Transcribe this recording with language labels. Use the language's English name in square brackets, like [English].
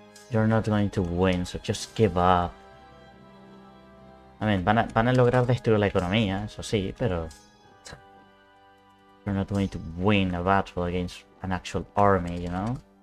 [English] You're not going to win, so just give up. I mean, [Spanish] van a lograr destruir la economía, eso sí, pero... [English] You're not going to win a battle against an actual army, you know?